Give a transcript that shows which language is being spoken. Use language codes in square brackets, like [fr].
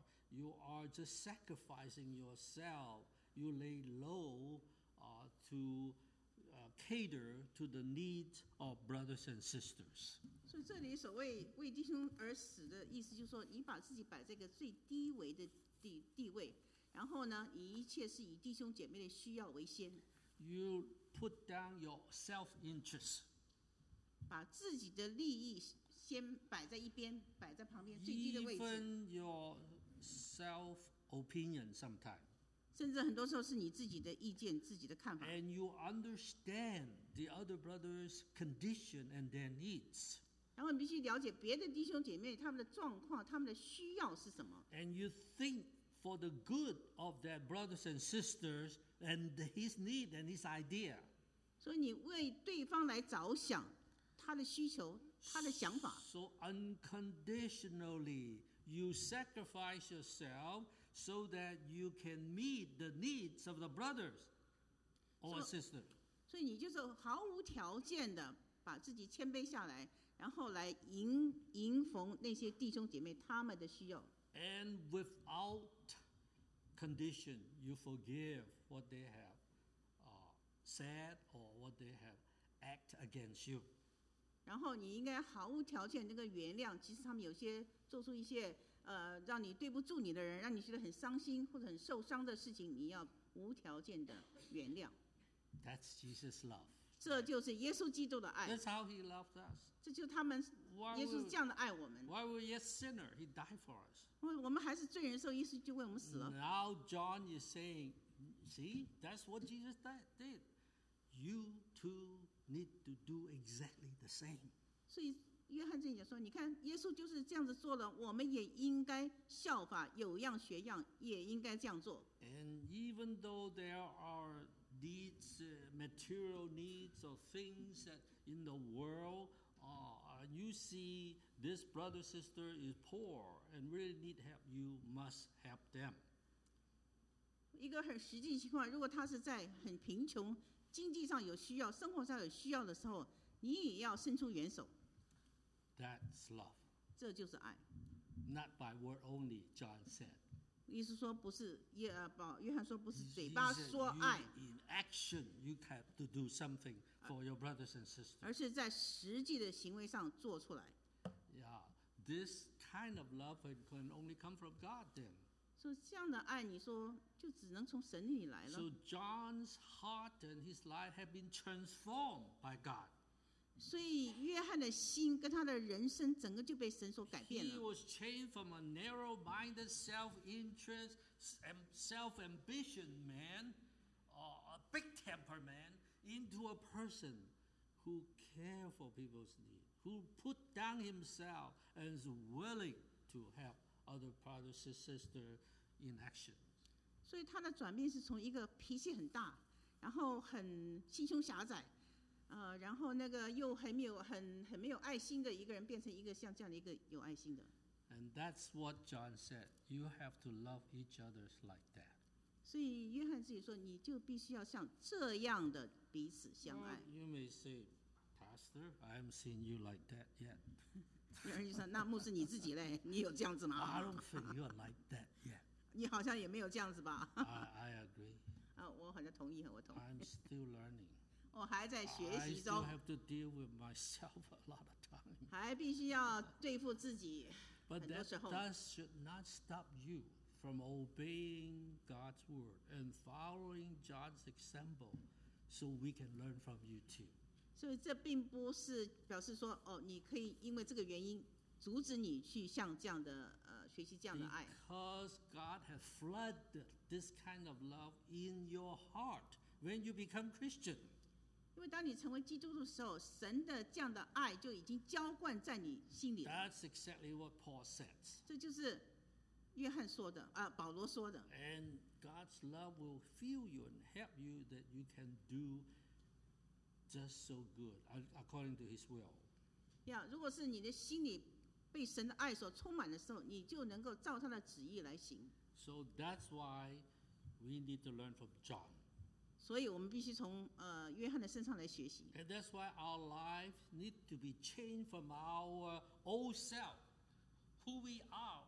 [en] You are just sacrificing yourself. You lay low to cater to the needs of brothers and sisters. [zh] 所以这里所谓为弟兄而死的意思就是说你把自己摆在一个最低微的地位，然后呢，以一切是以弟兄姐妹的需要为先。 [en] You put down your self-interest. [zh] 把自己的利益先摆在一边，摆在旁边最低的位置。 [en] Even your self-opinion sometimes. [zh] 甚至很多时候是你自己的意见自己的看法。 [en] And you understand the other brother's condition and their needs. [zh] 然后你必须了解别的弟兄姐妹他们的状况他们的需要是什么。 [en] And you think for the good of their brothers and sisters and his need and his idea. [zh] 所以你为对方来着想他的需求他的想法。 [en] So unconditionally, you sacrifice yourself,so that you can meet the needs of the brothers or sisters. [zh] 所以你就是毫无条件的把自己谦卑下来，然后来迎逢那些弟兄姐妹他们的需要。 [en] And without condition, you forgive what they have said or what they have acted against you. [zh] 然后你应该毫无条件那个原谅，其实他们有些做出一些。让你对不住你的人，让你觉得很伤心或者很受伤的事情，你要无条件的原谅。 [en] That's Jesus' love. [zh] 这就是耶稣基督的爱。 [en] That's how he loved us. [zh] 这就是他们耶稣这样的爱我们。 [en] Why were we a sinner? He died for us. [zh] 我们还是罪人的时候，耶稣就为我们死了。 [en] Now John is saying, see, that's what Jesus did. You too need to do exactly the same. [zh] 所以约翰这样讲说，你看耶稣就是这样子做了，我们也应该效法，有样学样，也应该这样做。 [en] And even though there are needs, material needs or things that in the world, you see this brother sister is poor and really need help, you must help them. [zh] 一个很实际情况，如果他是在很贫穷，经济上有需要，生活上有需要的时候，你也要伸出援手。 [en] That's love. [zh] 这就是爱。 [en] Not by word only, John said. [zh] 意思说不是耶宝，约翰说不是嘴巴说爱。 [en] In action, you have to do something for your brothers and sisters. [zh] 而是在实际的行为上做出来。 [en] Yeah, this kind of love can only come from God then. [zh] 所以这样的爱，你说就只能从神里来了。 [en] So John's heart and his life have been transformed by God. [zh] 所以约翰的心跟他的人生整个就被神所改变了。 [en] He was changed from a narrow-minded, self-interest, self-ambition man, a big-tempered man, into a person who cared for people's need, who put down himself and is willing to help other brothers and sisters in action. [zh] 所以他的转变是从一个脾气很大，然后很心胸狭窄。然后那个又很没有很没有爱心的一个人，变成一个像这样的一个有爱心的。 [en] And that's what John said. You have to love each other like that. [zh] 所以约翰自己说，你就必须要像这样的彼此相爱。 [en] Well, you may say, Pastor, I haven't seen you like that yet. [zh] 有人就说，那牧师你自己嘞，你有这样子吗 [en] ？I don't think you're like that yet. [zh] 你好像也没有这样子吧 [en] ？I agree. [zh] 我好像同意，我同意。 [en] I'm still learning. [zh] 我还在学习中。 [en] I still have to deal with myself a lot of time. [zh] 还必须要对付自己。 [en] But that should not stop you from obeying God's word and following John's example, so we can learn from you too. [zh] 所以这并不是表示说，哦，你可以因为这个原因阻止你去像这样的学习这样的爱。 [en] Because God has flooded this kind of love in your heart when you become Christian. [zh] 因为当你成为基督徒的时候，神的这样的爱就已经浇灌在你心里了。 [en] That's exactly what Paul says. [zh] 这就是约翰说的，保罗说的。 [en] And God's love will fill you and help you that you can do just so good according to His will. [zh] Yeah, 如果是你的心里被神的爱所充满的时候，你就能够照他的旨意来行。 [en] So that's why we need to learn from John. [zh] 所以我们必须从约翰的身上来学习。 [en] And that's why our life need to be changed from our old self, who we are.